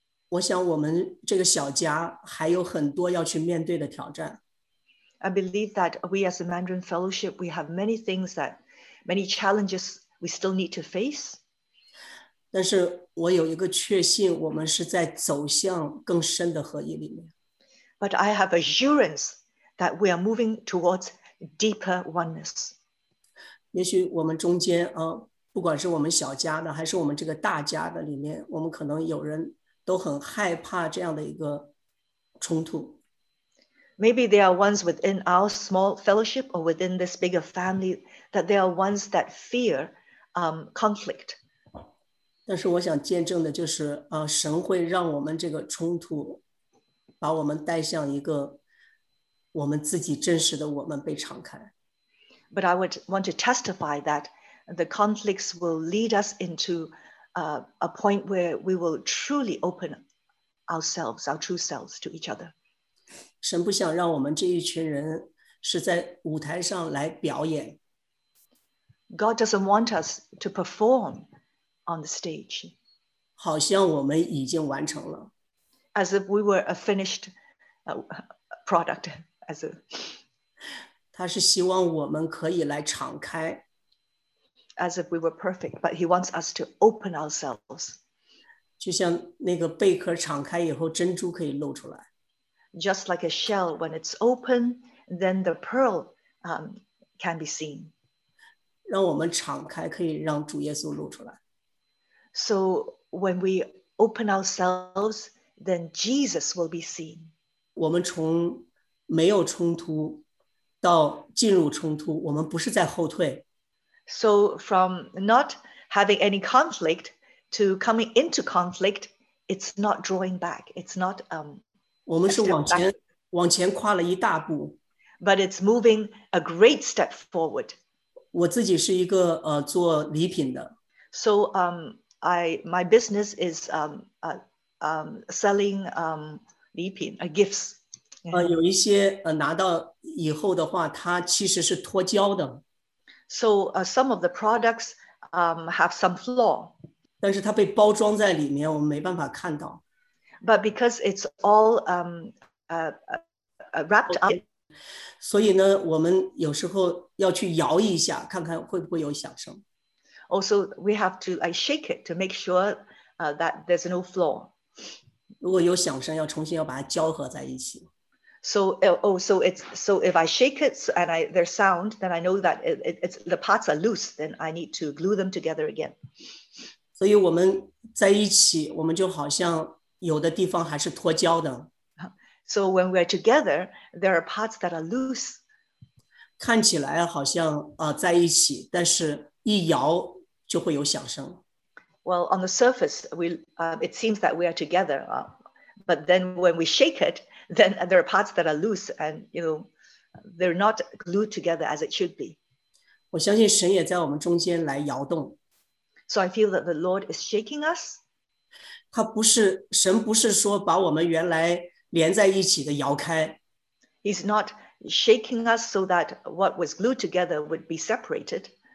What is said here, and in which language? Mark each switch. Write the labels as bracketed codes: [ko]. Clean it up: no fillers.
[zh] 我想我们这个小家还有很多要去面对的挑战。 [en] I believe that we as the Mandarin Fellowship, we have many things that, many challenges we still need to face. [zh] 但是我有一个确信，我们是在走向更深的合一里面。 [en] But I have assurance that we are moving towards. Deeper oneness. [zh] 也许我们中间不管是我们小家的还是我们这个大家的里面，我们可能有人都很害怕这样的一个冲突。 [en] Maybe there are ones within our small fellowship or within this bigger family that there are ones that fear conflict. [zh] 但是我想见证的就是神会让我们这个冲突把我们带向一个我们自己真实的我们被敞开。 [en] But I would want to testify that the conflicts will lead us into a point where we will truly open ourselves, our true selves to each other. [zh] 神不想让我们这一群人是在舞台上来表演。 [en] God doesn't want us to perform on the stage. [zh] 好像我们已经完成了。 [en] As if we were a finished product. [zh] 他是希望我们可以来敞开 [en] as if we were perfect, but he wants us to open ourselves. [zh] 就像那个贝壳敞开以后，珍珠可以露出来。 [en] Just like a shell, when it's open, then the pearl can be seen. [zh] 让我们敞开，可以让主耶稣露出来。 [en] So when we open ourselves, then Jesus will be seen. [zh] 我们从没有冲突到进入冲突，我们不是在后退。 [en] So from not having any conflict to coming into conflict, it's not drawing back. It's not [zh] 我们是往前跨了一大步。 [en] But it's moving a great step forward. [zh] 我自己是一个做礼品的。 [en] So my business is selling 礼品 gifts. [zh] 有一些拿到以后的话，它其实是脱胶的。 [en] So some of the products have some flaw. [zh] 但是它被包装在里面，我们没办法看到。 [en] But because it's all wrapped up. [zh] 所以呢，我们有时候要去摇一下，看看会不会有响声。 [en] Also, we have to shake it to make sure that there's no flaw. [zh] 如果有响声，要重新要把它胶合在一起。 [en] So if I shake it and there's sound, then I know that it's the parts are loose, then I need to glue them together again. [zh] 所以我们在一起，我们就好像有的地方还是脱胶的。 [en] So when we're together, there are parts that are loose. [zh] 看起来好像在一起，但是一摇就会有响声。 [en] Well, on the surface, it seems that we are together, but then when we shake it,Then there are parts that are loose and, you know, they're not glued together as it should be. [zh] 我相信神也在我们中间来摇动。 [en] So I feel that the Lord is shaking us. [zh] 他不是，神不是说把我们原来连在一起的摇开。 [en] He's not shaking us so that what was glued together would be separated.